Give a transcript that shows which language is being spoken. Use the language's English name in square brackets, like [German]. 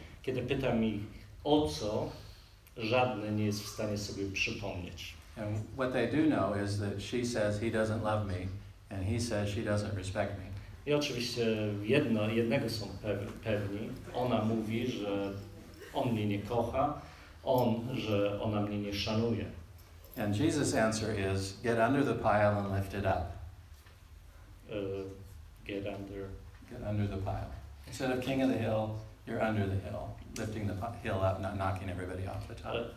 [Polish] Kiedy pytam ich o co, żadne nie jest w stanie sobie przypomnieć. [English] And what they do know is that she says he doesn't love me and he says she doesn't respect me. [Polish] I oczywiście jednego są pewni. Ona mówi, że on mnie nie kocha, że ona mnie nie szanuje. [English] And Jesus' answer is get under the pile and lift it up. Get under the pile. Instead of king of the hill, you're under the hill, lifting the hill up, not knocking everybody off the top.